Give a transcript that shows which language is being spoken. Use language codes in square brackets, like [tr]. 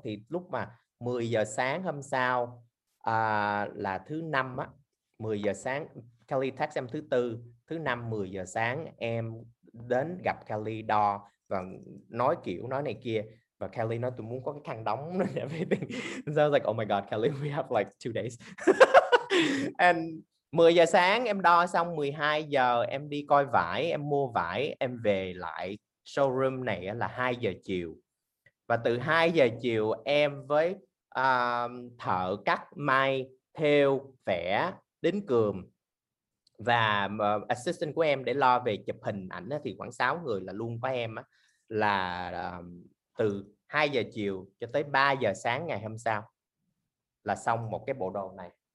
[vi] Thì lúc mà 10 giờ sáng hôm sau là thứ năm á, 10 giờ sáng Kelly text em thứ tư, thứ năm 10 giờ sáng em đến gặp Kelly đo và nói kiểu nói này kia. Và Kelly nói tôi muốn có cái khăn đóng [en] and everything. So I was like, oh my god Kelly, we have like 2 days. [vi] And 10 giờ sáng em đo xong, 12 giờ em đi coi vải, em mua vải, em về lại showroom này là 2 giờ chiều. Và từ 2 giờ chiều em với thợ cắt, may, thêu, vẽ, đính cườm và assistant của em để lo về chụp hình ảnh thì khoảng 6 người là luôn với em là từ 2 giờ chiều cho tới 3 giờ sáng ngày hôm sau là xong một cái bộ đồ này.